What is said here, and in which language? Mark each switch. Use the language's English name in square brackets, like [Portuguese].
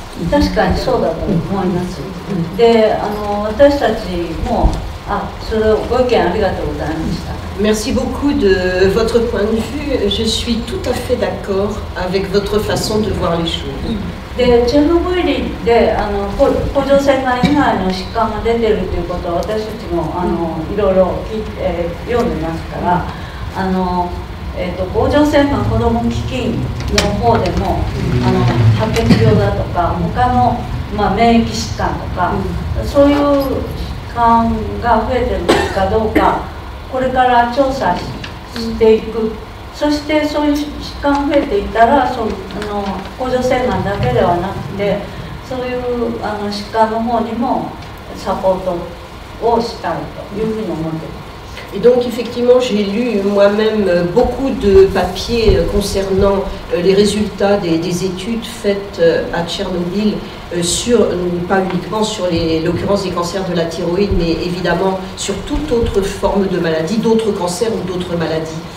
[Japanese] 確かにそうだと思います、で私たちもそれをご意見ありがとうございました。 [French] Merci beaucoup de votre point de vue. Je suis tout à fait d'accord avec votre façon de voir les choses. [Japanese] で、チェルノブイリで甲状腺がん以外の疾患が出てるということを私たちもいろいろ読んでますから、甲状腺がん子ども基金の方でも白血病だとか他の、免疫疾患とか、そういう疾患が増えてるかどうか。これから調査していく、そしてそういう疾患が増えていったら、甲状腺がんだけではなくて、そういう疾患の方にもサポートをしたいというふうに思っています。 [French] Et donc effectivement, j'ai lu moi-même beaucoup de papiers concernant les résultats des études faites à Tchernobyl, sur, pas uniquement sur l'occurrence des cancers de la thyroïde, mais évidemment sur toute autre forme de maladie, d'autres cancers ou d'autres maladies.